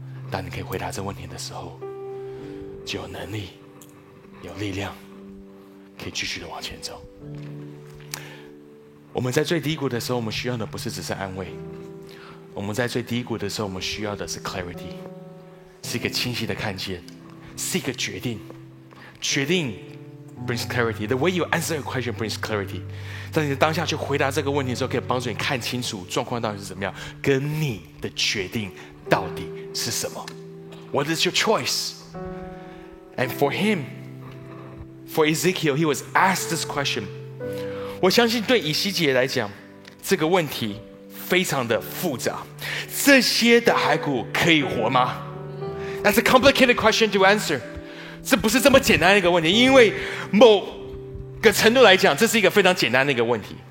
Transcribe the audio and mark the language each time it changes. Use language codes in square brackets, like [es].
[zh] 当你可以回答这问题的时候，就有能力有力量可以继续的往前走。我们在最低谷的时候，我们需要的不是只是安慰，我们在最低谷的时候，我们需要的是 clarity， 是一个清晰的看见，是一个决定。 [en] 决定 brings clarity. The way you answer a question brings clarity. [zh] 当你当下去回答这个问题的时候，可以帮助你看清楚状况到底是怎么样，跟你的决定到底是什么。 [en] What is your choice? And for him, for Ezekiel, he was asked this question. [zh] 我相信对以西结来讲，这个问题非常的复杂。这些的骸骨可以活吗？ [en] That's a complicated question to answer. [zh] 这不是这么简单的一个问题，因为某个程度来讲，这是一个非常简单的一个问题。